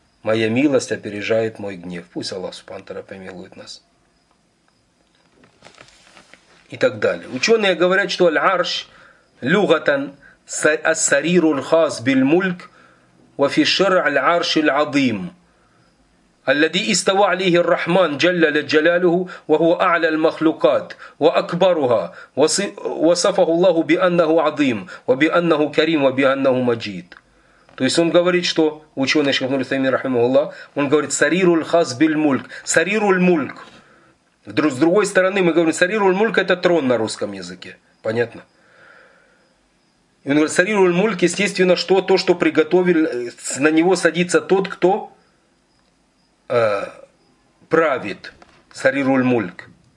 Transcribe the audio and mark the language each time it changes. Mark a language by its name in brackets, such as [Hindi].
[Russian] Моя милость опережает мой гнев. Пусть Аллах Субхану ва Тааля помилует нас. И так далее. Ученые говорят, что [Arabic] аль-арш люгатан ас-сарирул хас биль мульк ва фи шар'а аль-арш аль-азим. الذي استوى عليه الرحمن جل جلاله وهو أعلى المخلوقات وأكبرها، وصفه الله بأنه عظيم وبأنه كريم وبأنه مجيد. [Russian] То есть он говорит, что ученый Шейх Нур Усеймин рахимахуллах, он говорит, [Arabic] сарируль хас биль мульк, [Russian] сарируль мульк. С другой стороны, мы говорим, сарируль мульк — это трон на русском языке. Понятно? И он говорит, [Arabic] сарируль мульк, [Russian] естественно, что то, что приготовил, на него садится тот, кто правит. Сарируль мульк.